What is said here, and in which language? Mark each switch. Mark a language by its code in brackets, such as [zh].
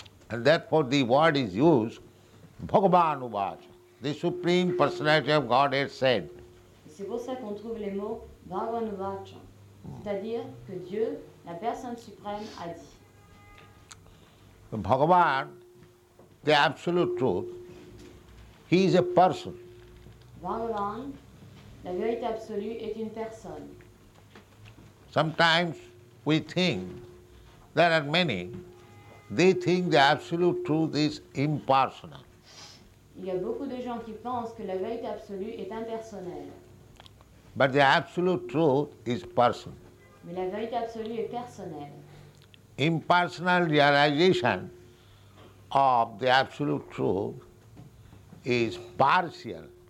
[en] And therefore the word is used, Bhagavan Uvacha, the Supreme Personality of Godhead said. [fr] C'est pour ça qu'on trouve les mots Bhagavan Uvacha, c'est-à-dire que Dieu, la Personne Suprême, a dit. [en] Bhagavan, the Absolute Truth, He is a person. [fr] Bhagavan, la vérité absolue, est une personne. [en] Sometimes we think there are many, they think the Absolute Truth is impersonal. [fr] Il y a beaucoup de gens qui pensent que la vérité absolue est impersonnelle. [en] But the Absolute Truth is personal. [fr] Mais la vérité absolue est personnelle. [en] Impersonal realization of the Absolute Truth is partial.